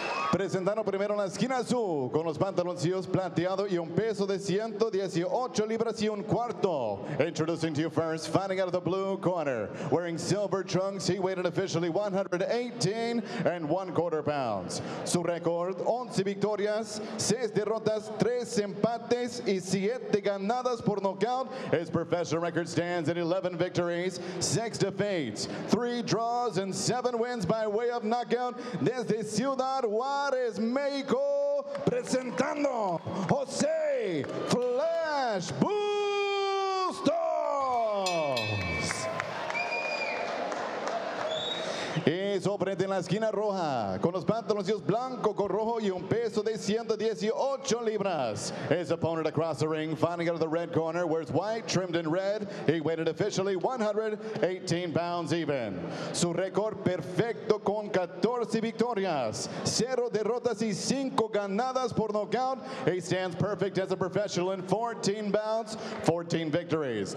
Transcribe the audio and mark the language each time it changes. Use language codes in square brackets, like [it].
[es] Presentando primero en la esquina azul con los pantaloncillos plateados y un peso de 118 libras y un cuarto. [en] Introducing to you first, fighting out of the blue corner, wearing silver trunks, he weighed officially 118 and one quarter pounds. [es] Su record, 11 victorias, 6 derrotas, 3 empates y 7 ganadas por knockout. [en] His professional record stands at 11 victories, 6 defeats, 3 draws and 7 wins by way of knockout. [es] Desde Ciudad Juárez, Mexico, presentando Jose Flash Bustos. Y sorprende en la esquina roja, con los pantaloncillos blanco con rojo y un peso de 118 libras. [en] His opponent across the ring, finding out of the red corner, wears white, trimmed in red. He weighed officially 118 pounds even. [es] Su record perfecto con 14 victorias, 0 derrotas y 5 ganadas por knockout. [en] He stands perfect as a professional in 14 bouts, 14 victories.